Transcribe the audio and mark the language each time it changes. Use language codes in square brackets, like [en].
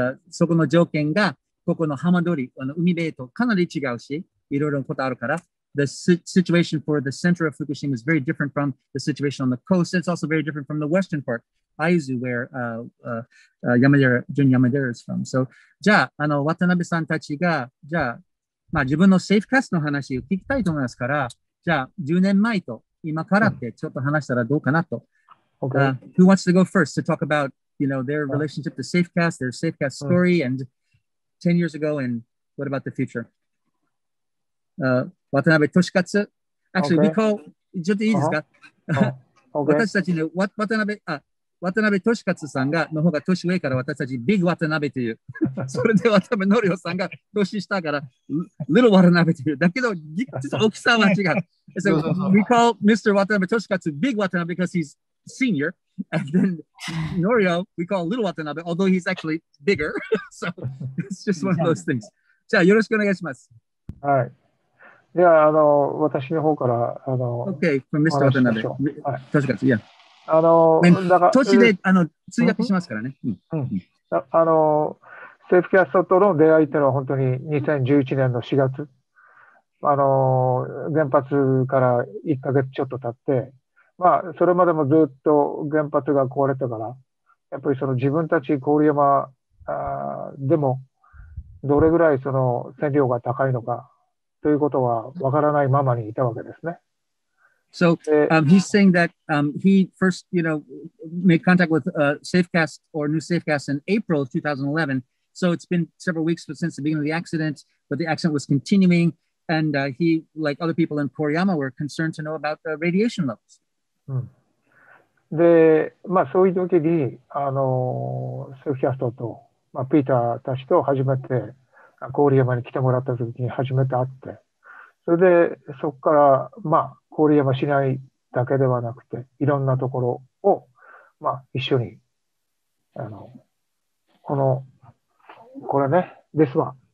[ja] そこの条件が、ここの浜通り、海辺とかなり違うし、いろいろなことあるから。 [en] The situation for the center of Fukushima is very different from the situation on the coast. It's also very different from the western part, Aizu, where Jun Yamadera is from. [ja] So, じゃあ、Watanabe さんたちが、じゃあ、まあ、自分のセーフキャストの話を聞きたいと思いますから、じゃあ、10年前と今からってちょっと話したらどうかなと。 [en] Okay. Who wants to go first to talk about, their relationship to Safecast, their Safecast story, and 10 years ago, and what about the future? Watanabe Toshikatsu. Actually, okay. We call, just [ja] いいですか? [en] Okay. [ja] 私たちね、Watanabe Toshikatsu さんがの方が年上から私たち Big Watanabe という。それで Watanabe Norio さんが年下から Little Watanabe という。だけど、実は大きさは違う。 [en] So, we call Mr. Watanabe Toshikatsu Big Watanabe because he's senior. And then Norio, we call Little Watanabe, although he's actually bigger. So, it's just one of those things. [ja] じゃあ、よろしくお願いします。はい。では私の方から [en] Okay, from Mr. Watanabe. [ja] はい。確かに、いや。だから都市で通訳しますからね。うん。セーフキャストとの出会いというのは本当に2011年の4月、原発から1ヶ月ちょっと経って、まあ、それまでもずっと原発が壊れたから、やっぱりその自分たち郡山でも、どれぐらいその線量が高いのかということはわからないままにいたわけですね。 [en] So, he's saying that, he first, you know, made contact with, Safecast or New Safecast in April of 2011. So it's been several weeks since the beginning of the accident, but the accident was continuing. And, he, like other people in Koriyama, were concerned to know about the radiation levels. [ja] で、まあ、そういう時に、Safecastと、まあ、ピーターたちと初めて、郡山に来てもらった時に初めて会って、それで、そこから、まあ、郡山市内だけではなくて、いろんなところを、まあ、一緒に、この、これね、 [en] This one.